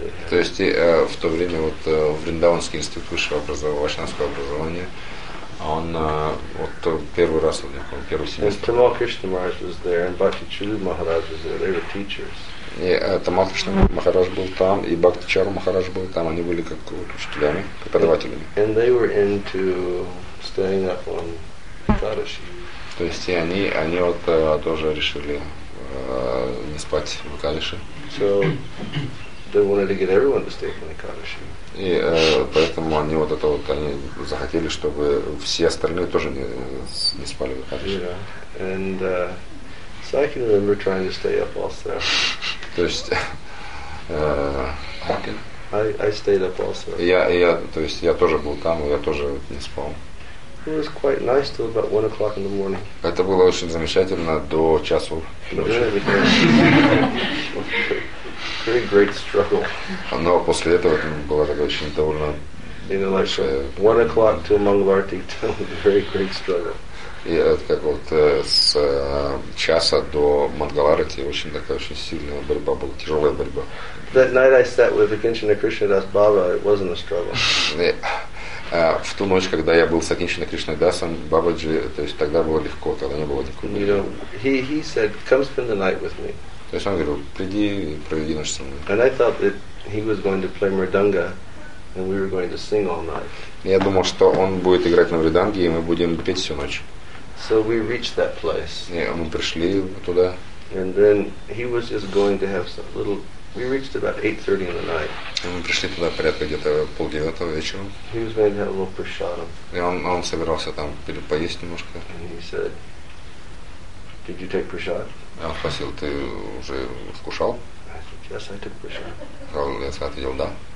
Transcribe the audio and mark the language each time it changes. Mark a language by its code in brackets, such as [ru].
[ru] То есть в то время вот Вриндаванский институт вашинского образования. Он вот первый раз у них, он первый семестр. [en] Тамал Кришна Махарадж was there, and Бхакти Чару Махарадж was there. They were teachers. [ru] И Тамал Кришна Махарадж был там, и Бхакти Чару Махарадж был там. Они были как учителями, преподавателями. [en] And they were into staying up on Kadashi. [ru] То есть они вот тоже решили не спать в Кадаши. [en] So they wanted to get everyone to stay on Kadashi. [ru] И поэтому они вот это вот они захотели, чтобы все остальные тоже не спали в [en] Кадаши. Yeah. And, so I can remember [ru] я тоже был там, я тоже не спал. [en] It was quite nice till about 1 o'clock in the morning. [ru] Это было очень замечательно до часу. [en] Very great struggle. [ru] Но после этого была такая очень довольно. [en] You know, like 1 o'clock till Mangalarti, very great struggle. [ru] И как вот с часа до Мангаларти очень такая очень сильная борьба была, тяжелая борьба. [en] That night I sat with Akinchana Krishnadas Baba. It wasn't a struggle. [ru] В ту ночь, когда я был с Акинчана Кришнадасом Бабаджи, то есть тогда было легко, тогда не было никакого. [en] You know, he said, come spend the night with me. [ru] То есть он говорил, приди и проведи ночь со мной. [en] And I thought that he was going to play mridanga and we were going to sing all night. [ru] Я думал, что он будет играть на мриданге и мы будем петь всю ночь. [en] So we reached that place. [ru] И мы пришли туда. [en] And then he was just going to have some little. We reached about 8:30 in the night. [ru] И мы пришли туда порядка где-то 8:30 вечера. [en] He was going to have a little prasadam. [ru] И он собирался там поесть немножко. [en] And he said, did you take prasad? [ru] Я спросил, ты уже вкушал? [en] Yes, I took prasad. [ru] Правильно, я ответил, да.